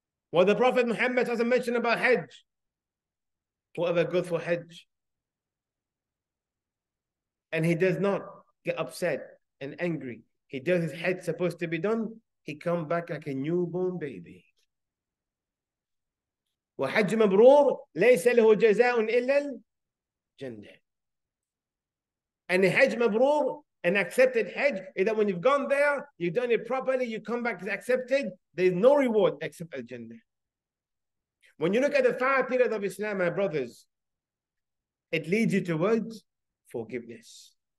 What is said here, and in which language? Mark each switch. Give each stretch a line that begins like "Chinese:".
English: What the Prophet Muhammad hasn't mentioned about Hajj? Whatever good for Hajj. And he does not get upset and angry. He does his Hajj supposed to be done. He comes back like a newborn baby.
Arabic: وحج مبرور ليس له جزاء إلا الجنة.
English: And حج مبرور, an accepted Hajj, is that when you've gone there, you've done it properly, you come back accepted, there's no reward except al-Jannah. When you look at the five pillars of Islam, my brothers, it leads you towards forgiveness.